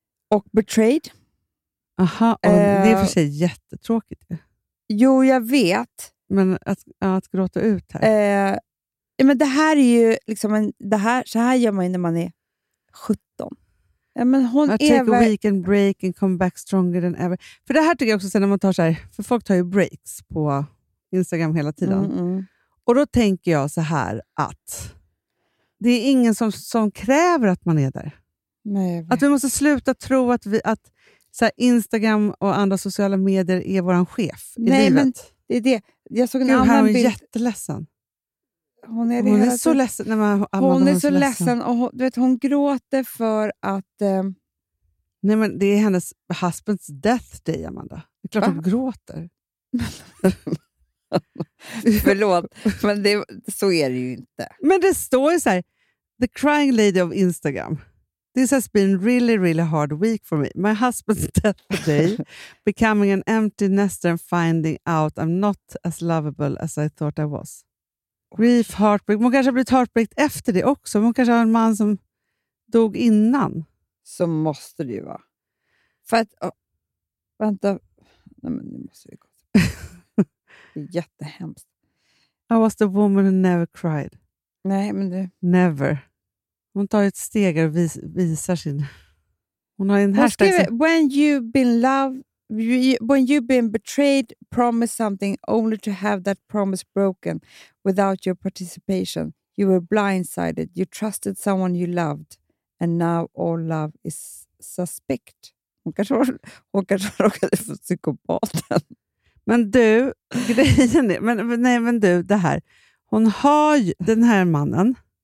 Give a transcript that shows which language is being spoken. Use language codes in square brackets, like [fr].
[sv] Och betrayed. Aha, det är för sig jättetråkigt. Jo, jag vet. Men att gråta ut här. Men det här är ju liksom så här gör man ju när man är 17. Men hon [en] take a week and break and come back stronger than ever. [sv] För det här tycker jag också sen när man tar så här, för folk tar ju breaks på Instagram hela tiden. Mm-mm. Och då tänker jag så här att det är ingen som kräver att man är där. Nej. Att vi måste sluta tro att så här, Instagram och andra sociala medier är våran chef i Nej, livet. Men det är det. Jag såg en annan här, hon bild. Är jätteledsen. Hon är så ledsen. Nej, men, hon är så ledsen. Och hon, du vet, hon gråter för att... Nej, men det är hennes [en] husbands death day, [sv] Amanda. Det är klart hon gråter. Förlåt, men det, så är det ju inte. Men det står ju så här, [en] the crying lady of Instagram. This has been really, really hard week for me. My husband's death today, becoming an empty nester and finding out I'm not as lovable as I thought I was. [sv] Grief, heartbreak. Man kanske har blivit heartbreaked efter det också. Man kanske har en man som dog innan. Så måste det ju vara. För att, vänta. Nej, men nu måste jag gå. Det är jättehemskt. [en] I was the woman who never cried. [sv] Nej, men du. [en] Never. [sv] Hon tar ett steg och visar sin... Hon har en hashtag. [en] When you've been loved, when you've been betrayed, promised something only to have that promise broken without your participation. You were blindsided. You trusted someone you loved. And now all love is suspect. [sv] Hon kanske råkade få psykopaten. Men du, grejen är... Men du, det här. Hon har ju den här mannen.